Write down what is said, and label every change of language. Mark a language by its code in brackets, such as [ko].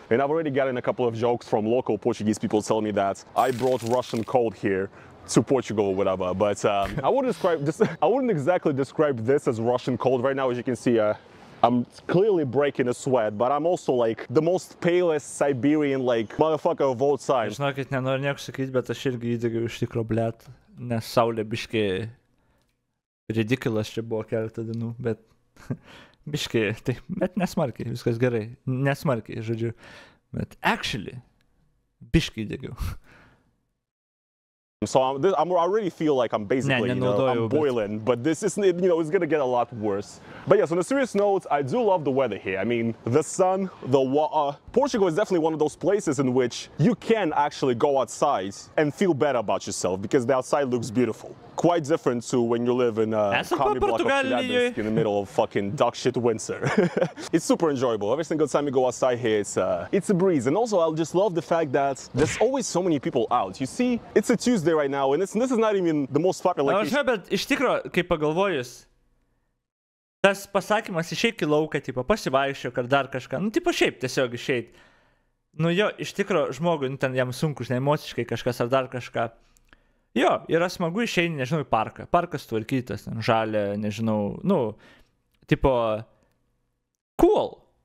[en] And I've already gotten a couple of jokes from local Portuguese people telling me that I brought Russian cold here to Portugal or whatever. But I wouldn't exactly describe this as Russian cold right now. As you can see, I'm clearly breaking a sweat, but I'm also like the most palest Siberian like motherfucker of all time. [lt] Žinokit, nenoriu nieko sakyti, bet aš irgi įdegiau iš tikro, blėt, nes saulė biškį ridiculous čia buvo keletą dienų, bet biškį, tai, bet nesmarkiai, viskas gerai, nesmarkiai, žodžiu, bet actually, biškį įdegiau. [en] So I really feel like I'm basically, you know, I'm boiling, but this isn't, you know, it's gonna get a lot worse. But yes, on a serious note, I do love the weather here. I mean, the sun, the water. Portugal is definitely one of those places in which you can actually go outside and feel better about yourself because the outside looks beautiful. Quite different to when you live in a commie block of Cidades in the middle of fucking dog shit winter. It's super enjoyable. Every single time you go outside here, it's a breeze. And also, I just love the fact that there's always so many people out. You see, it's a Tuesday right now, and this is not even the most popular. [lt] Aš žinau, bet iš tikro, kaip pagalvojus, tas pasakymas išeik į lauką, tipo, pasivaikščiok ar dar kažką. Nu, tipo, šiaip tiesiog išeit. Nu jo, iš tikro, žmogui, nu ten jam sunku, žinai, emociškai kažkas ar dar kažką. Jo, yra smagu išeini, nežinau, į parką. Parkas tvarkytas, ten, žalia, nežinau, nu, tipo, cool.